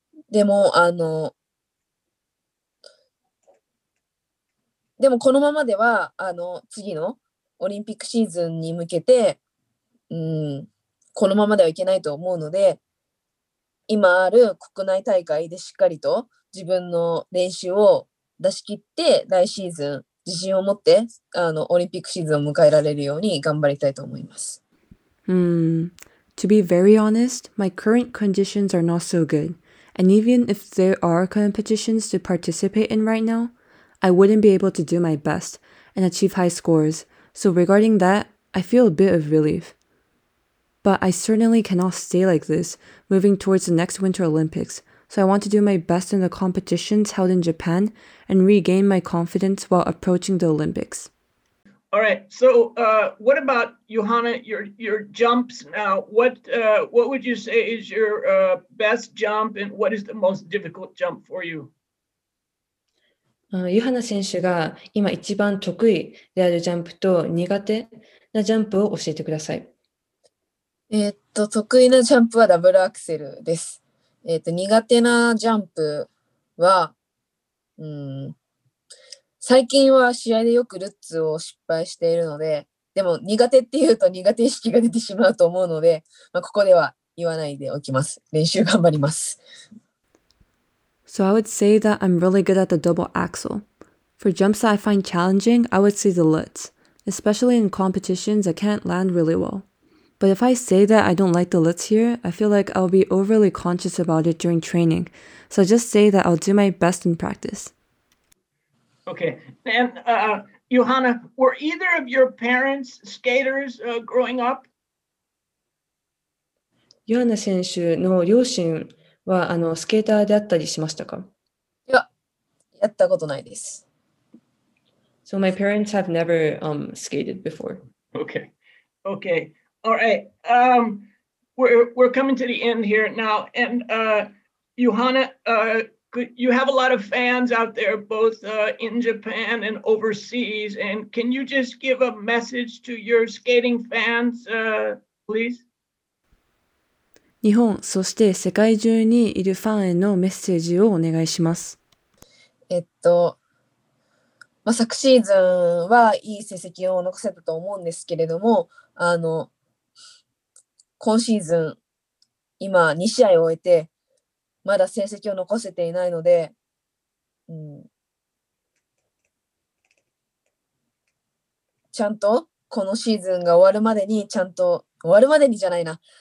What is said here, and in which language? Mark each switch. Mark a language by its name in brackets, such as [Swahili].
[Japanese] でもこのままでは次のオリンピックシーズンに向けて、このままではいけないと思うので、今ある国内大会でしっかりと自分の練習を出し切って、来シーズン自信を持ってオリンピックシーズンを迎えられるように頑張りたいと思います。 [English] To be very honest, my current conditions are not so good, and even if there are competitions to participate in right now, I wouldn't be able to do my best and achieve high scores. So regarding that, I feel a bit of relief. But I certainly cannot stay like this, moving towards the next Winter Olympics. So I want to do my best in the competitions held in Japan and regain my confidence while approaching the Olympics. All right. So what about, Johanna, your jumps now? What would you say is your best jump, and what is the most difficult jump for you? [Japanese] ユハナ選手が今一番得意であるジャンプと苦手なジャンプを教えてください。得意なジャンプはダブルアクセルです。苦手なジャンプは、最近は試合でよくルッツを失敗しているので、でも苦手っていうと苦手意識が出てしまうと思うので、まあ、ここでは言わないでおきます。練習頑張ります。 [English] So I would say that I'm really good at the double axel. For jumps that I find challenging, I would say the Lutz. Especially in competitions, I can't land really well. But if I say that I don't like the Lutz here, I feel like I'll be overly conscious about it during training. So I just say that I'll do my best in practice. Okay. And Johanna, were either of your parents skaters growing up? [Japanese] Johanna 選手の両親はスケーターであったりしましたか？いや、やったことないです。 [English] So my parents have never skated before. Okay. Okay. All right. We're coming to the end here now. And Johanna, you have a lot of fans out there, both in Japan and overseas. And can you just give a message to your skating fans, please? [Japanese] 日本、そして世界中にいるファンへのメッセージをお願いします。昨シーズンはいい成績を残せたと思うんですけれども、今シーズン、今2試合を終えて、まだ成績を残せていないので、ちゃんとこのシーズンが終わるまでに、ちゃんと終わるまでにじゃないな。